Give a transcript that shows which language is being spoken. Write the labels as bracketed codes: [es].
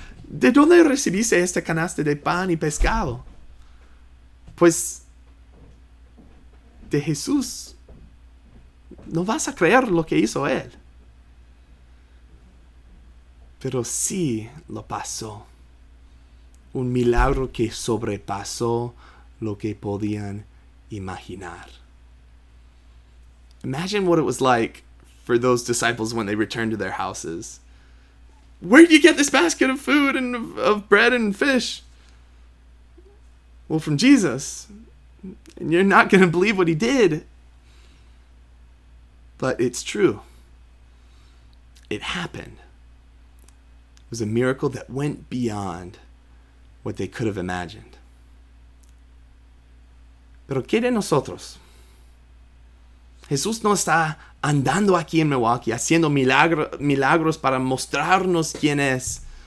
[es] ¿De dónde recibiste esta canasta de pan y pescado? Pues, de Jesús. No vas a creer lo que hizo él. Pero sí lo pasó. Un milagro que sobrepasó lo que podían imaginar. [en] Imagine what it was like for those disciples when they returned to their houses. Where did you get this basket of food and of bread and fish? Well, from Jesus. And you're not going to believe what he did. But it's true. It happened. It was a miracle that went beyond what they could have imagined. [es] Pero ¿qué de nosotros? Jesús no está andando aquí en Milwaukee, haciendo milagros para mostrarnos quién es.